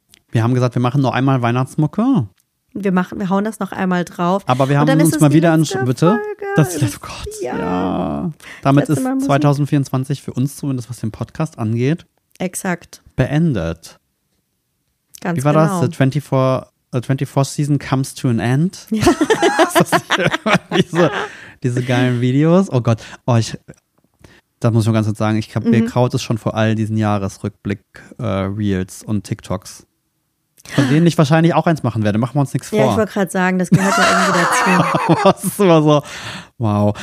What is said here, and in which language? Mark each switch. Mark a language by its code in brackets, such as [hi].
[de] Wir haben gesagt, wir machen noch einmal Weihnachtsmucke. Wir hauen das noch einmal drauf. Aber wir haben uns mal wieder an. Bitte? Folge. Das ist ja, oh Gott. Ja. Damit ist 2024 für uns zumindest, was den Podcast angeht. Exakt. Beendet. Ganz wie war genau. das? [en] The 24th season comes to an end. [de] Ja. diese geilen Videos. Oh Gott. Oh, das muss ich mal ganz kurz sagen. Ich habe mir kraut es schon vor all diesen Jahresrückblick-Reels und TikToks. Von denen ich wahrscheinlich auch eins machen werde. Machen wir uns nichts vor. Ja, ich wollte gerade sagen, das gehört ja irgendwie dazu. Das ist immer so. Wow.